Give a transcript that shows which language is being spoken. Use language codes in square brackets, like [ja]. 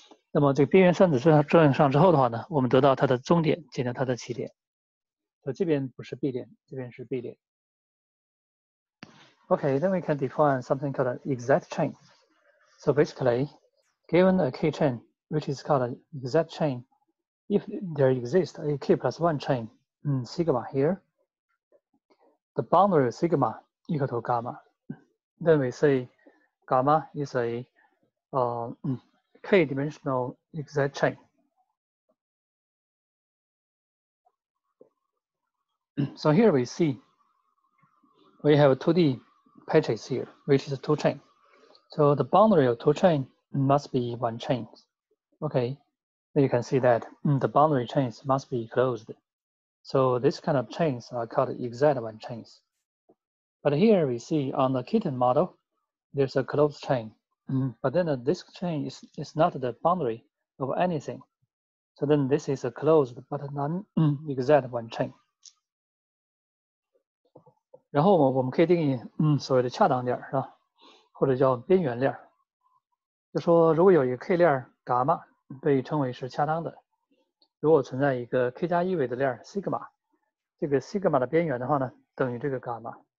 [zh] 那么这个边缘算子作用上之后的话呢，我们得到它的终点，减掉它的起点。所以这边不是 B 点，这边是 B 点。 [en] Okay, then we can define something called an exact chain. So basically, given a K-chain, which is called an exact chain, if there exists a K plus one chain, sigma here, the boundary of sigma equal to gamma. Then we say gamma is a K-dimensional exact chain. So here we see we have 2D. Patches here, which is two chain. So the boundary of two chain must be one chain. Okay, you can see that the boundary chains must be closed. So this kind of chains are called exact one chains. But here we see on the kitten model, there's a closed chain. But then this chain is not the boundary of anything. So then this is a closed but non-exact one chain. [zh] 然后我们可以定义所谓的恰当链是吧，或者叫边缘链。就说如果有一个 K 链伽马被称为是恰当的。如果存在一个 K 加一维的链 Sigma, 这个 Sigma 的边缘的话呢等于这个伽马。